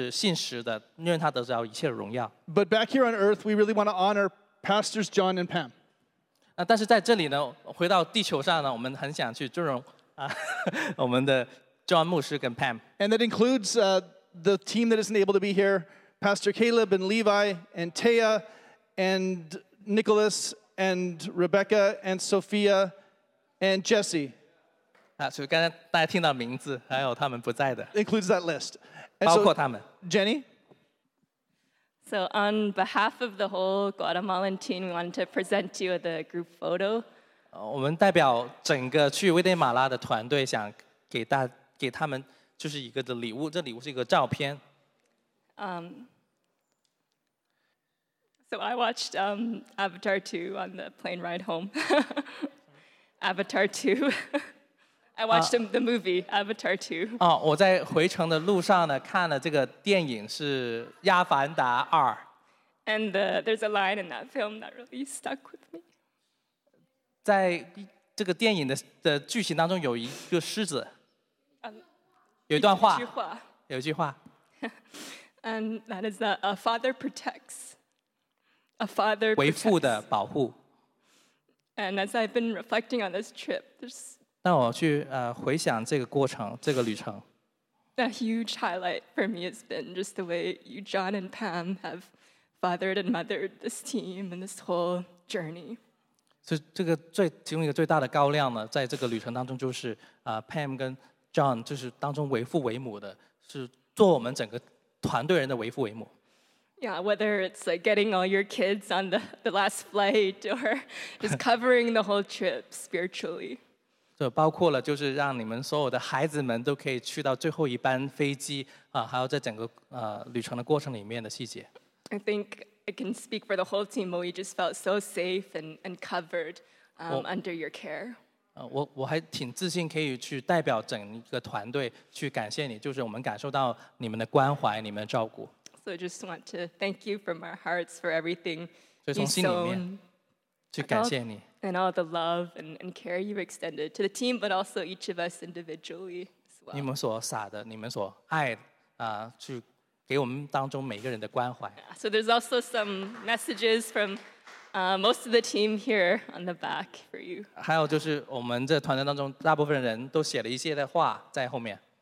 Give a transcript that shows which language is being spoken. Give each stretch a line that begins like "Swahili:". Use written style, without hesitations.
Chinese: 无论是在预备过程，在这个旅程，出发旅程，在整个过程当中呢，神都是信实的，因为他得到一切荣耀。
English: But back here on earth, we really want to honor Pastors John and Pam.
Chinese: 但是在这里呢，回到地球上呢，我们很想去尊荣。我们的John牧师跟Pam.
English: And that includes the team that isn't able to be here, Pastor Caleb and Levi and Taya and Nicholas and Rebecca and Sophia and Jesse.
Chinese: 所以刚才大家听到名字，还有他们不在的。
English: Includes that list.
Chinese: 包括他们。
English: Jenny? So on behalf of the whole Guatemalan team, we wanted to present to you the group photo.
Chinese: 我们代表整个去威利马拉的团队，想给他们就是一个的礼物。这礼物是一个照片。
English: So I watched Avatar 2 on the plane ride home. Avatar 2. I watched the movie Avatar 2.
Chinese: 我在回程的路上呢，看了这个电影是《亚凡达二》。
English: And there's a line in that film that really stuck with me.
Chinese: 在这个电影的剧情当中，有一个狮子，有一段话，有一句话。
English: And that is that a father protects, a father
Chinese: 为父的保护。
English: And as I've been reflecting on this trip, there's
Chinese: 让我去回想这个过程，这个旅程。
English: A huge highlight for me has been just the way you, John, and Pam have fathered and mothered this team and this whole journey.
Chinese: 就这个最提供一个最大的高亮呢，在这个旅程当中，就是Pam跟John就是当中为父为母的，是做我们整个团队人的为父为母。
English: Yeah, whether it's like getting all your kids on the last flight or just covering the whole trip spiritually.
Chinese: 就包括了就是让你们所有的孩子们都可以去到最后一班飞机，还有在整个旅程的过程里面的细节。
English: I think I can speak for the whole team. We just felt so safe and covered. under your care.
Chinese: 我还挺自信可以去代表整个团队去感谢你，就是我们感受到你们的关怀、你们的照顾。
English: So I just want to thank you from our hearts for everything you've shown. And all the love and care you've extended to the team, but also each of us individually as well.
Chinese: 你们所撒的，你们所爱，去给我们当中每一个人的关怀。
English: Yeah, so there's also some messages from most of the team here on the back for you.
Chinese: 还有就是我们这团队当中大部分人都写了一些的话在后面。